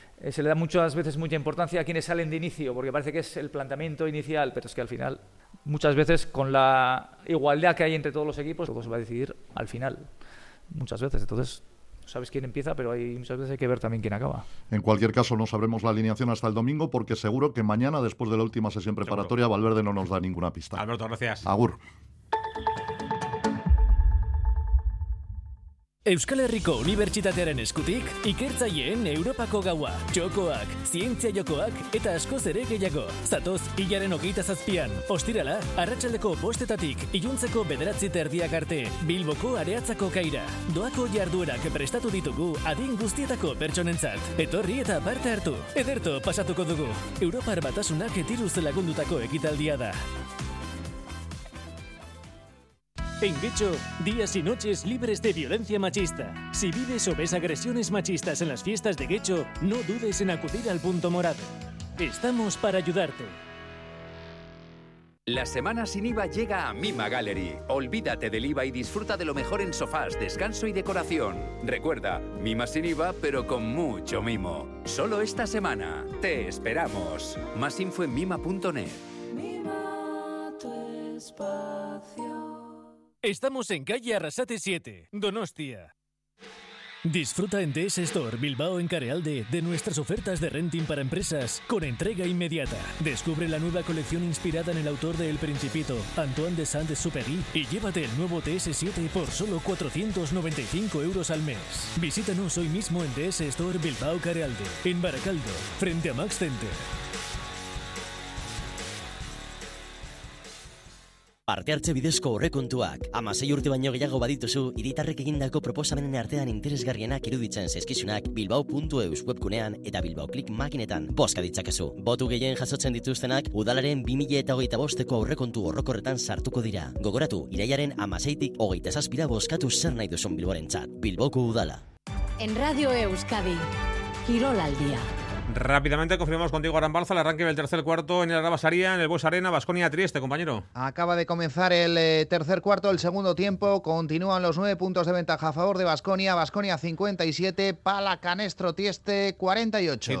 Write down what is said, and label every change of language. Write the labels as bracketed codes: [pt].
[es] Se le da muchas veces mucha importancia a quienes salen de inicio, porque parece que es el planteamiento inicial, pero es que al final, muchas veces con la igualdad que hay entre todos los equipos, todo se va a decidir al final, muchas veces. Entonces, sabes quién empieza, pero hay muchas veces hay que ver también quién acaba. En cualquier caso, no sabremos la alineación hasta el domingo, porque seguro que mañana, después de la última sesión preparatoria, seguro, Valverde no nos da ninguna pista. Alberto, gracias. Agur. [eu] Euskal Herriko Unibertsitatearen eskutik, ikertzaileen Europako gaua, txokoak, zientzia jokoak eta askoz ere gehiago. Zatoz, hilaren 27an, ostirala, arratsaldeko 5etatik, iluntzeko 9:30 arte, Bilboko Areatzako Kaira. Doako jarduerak prestatu ditugu adin guztietako pertsonentzat. Etorri eta parte hartu, ederto pasatuko dugu. Europar Batasunak etiruz lagundutako ekitaldia da. [es] En Guecho, días y noches libres de violencia machista. Si vives o ves agresiones machistas en las fiestas de Guecho, no dudes en acudir al punto morado. Estamos para ayudarte. La semana sin IVA llega a Mima Gallery. Olvídate del IVA y disfruta de lo mejor en sofás, descanso y decoración. Recuerda, Mima sin IVA, pero con mucho mimo. Solo esta semana. Te esperamos. Más info en mima.net. Mima tu espacio. Estamos en calle Arrasate 7, Donostia. Disfruta en DS Store Bilbao en Carealde de nuestras ofertas de renting para empresas con entrega inmediata. Descubre la nueva colección inspirada en el autor de El Principito, Antoine de Saint-Exupéry, y llévate el nuevo DS7 por solo 495 euros al mes. Visítanos hoy mismo en DS Store Bilbao Carealde, en Baracaldo, frente a Max Center. [eu] Parte hartze bidezko aurrekontuak. 16 urte baino gehiago badituzu, hiritarrek egindako proposamenen artean interesgarrienak iruditzen zaizkizunak bilbao.eus webgunean eta bilbaoklik makinetan bozka ditzakezu. Botu gehien jasotzen dituztenak udalaren 2025eko aurrekontu orrokorretan sartuko dira. Gogoratu, irailaren 16tik 27ra bozkatu zer nahi duzun bilborentzat. Bilboko udala. [es] En Radio Euskadi, Kirolaldia. Rápidamente confirmamos contigo, Aran Balza, el arranque del tercer cuarto en el Araba Saria, en el Bues Arena, Baskonia Trieste, compañero. Acaba de comenzar el tercer cuarto, el segundo tiempo, continúan los 9 puntos de ventaja a favor de Baskonia, Baskonia 57, Palacanestro Trieste 48.